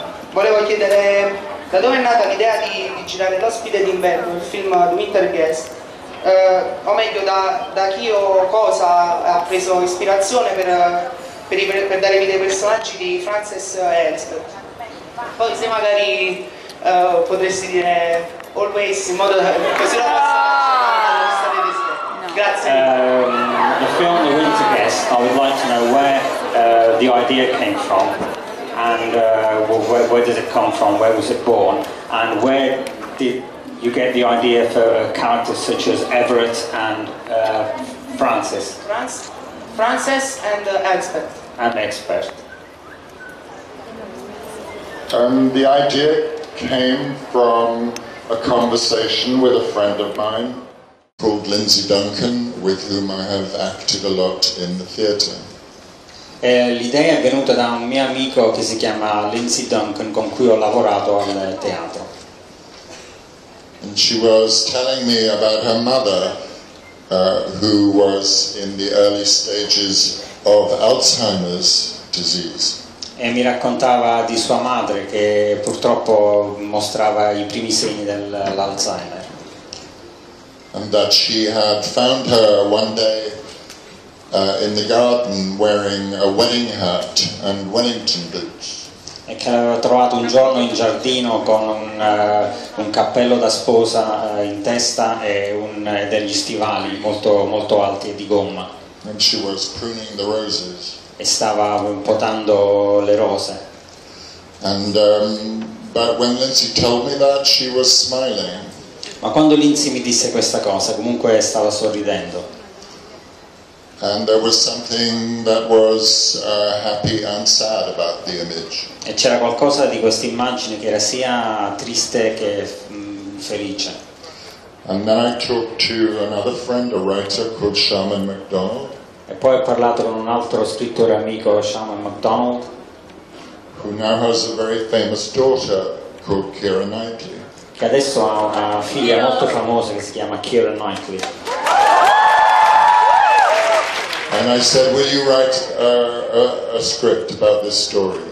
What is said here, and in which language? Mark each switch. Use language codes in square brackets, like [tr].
[it] Volevo chiedere da dove è nata l'idea di girare L'ospite d'inverno, il film di Winter Guest, o meglio da chi o cosa ha preso ispirazione per dare vita ai personaggi di Frances Elsbeth. Poi se magari potresti dire Always in modo da così la passata, grazie. [en] The film The Winter Guest, I would like to know where the idea came from. And where did it come from? Where was it born? And where did you get the idea for characters such as Everett and Frances. Frances and Expert. And Expert. The idea came from a conversation with a friend of mine called Lindsay Duncan, with whom I have acted a lot in the theater. [it] L'idea è venuta da un mio amico che si chiama Lindsay Duncan, con cui ho lavorato al teatro. [en] And she was telling me about her mother, who was in the early stages of Alzheimer's disease. [it] E mi raccontava di sua madre che purtroppo mostrava i primi segni dell'Alzheimer. [en] And that she had found her one day in the garden wearing a wedding hat and Wellington boots. [it] E che l'aveva trovato un giorno in giardino con un cappello da sposa in testa e degli stivali molto molto alti e di gomma. [en] And she was pruning the roses. [it] E stava potando le rose. [en] And but when Lindsay told me that, she was smiling. [it] Ma quando Lindsay mi disse questa cosa, comunque stava sorridendo. [en] And there was something that was happy and sad about the image. [it] E c'era qualcosa di questa immagine che era sia triste che felice. [en] And then I talked to another friend, a writer called Sharman McDonald. [it] E poi ho parlato con un altro scrittore amico, Sharman McDonald, [en] who now has a very famous daughter called Keira Knightley. [it] Che adesso ha una figlia molto famosa che si chiama Keira Knightley. [en] And I said, will you write a script about this story?